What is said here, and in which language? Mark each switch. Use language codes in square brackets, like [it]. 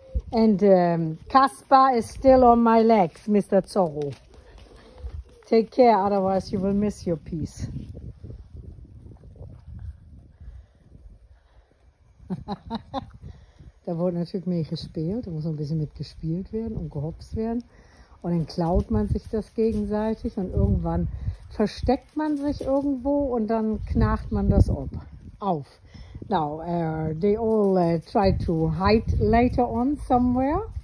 [en] En Caspar is still on my legs, Mr. Zorro. Take care, otherwise you will miss your piece. [nl] Daar wordt natuurlijk mee gespeeld. Er moet een beetje mee gespeeld worden en gehopst worden. [de] Und dann klaut man sich das gegenseitig und irgendwann versteckt man sich irgendwo und dann knarrt man das ob, auf. [en] Now, they all try to hide later on somewhere.